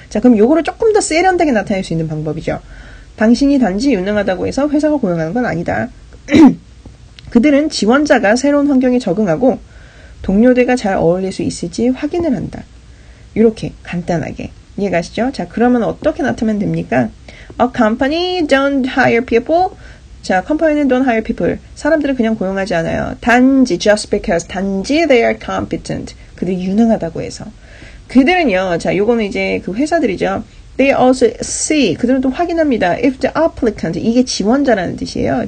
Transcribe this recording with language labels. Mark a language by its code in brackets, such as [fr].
[ko] 자, 그럼 요거를 조금 더 세련되게 나타낼 수 있는 방법이죠. 당신이 단지 유능하다고 해서 회사가 고용하는 건 아니다. 그들은 지원자가 새로운 환경에 적응하고 동료들과 잘 어울릴 수 있을지 확인을 한다. 이렇게 간단하게. 이해가시죠? 자, 그러면 어떻게 나타내면 됩니까? [en] A company don't hire people. [ko] 자, company는 [en] don't hire people. [ko] 사람들은 그냥 고용하지 않아요. [en] 단지, just because. 단지 they are competent. [ko] 그들이 유능하다고 해서. 그들은요. 자, 요거는 이제 그 회사들이죠. [en] They also see. [ko] 그들은 또 확인합니다. [en] If the applicant. [ko] 이게 지원자라는 뜻이에요.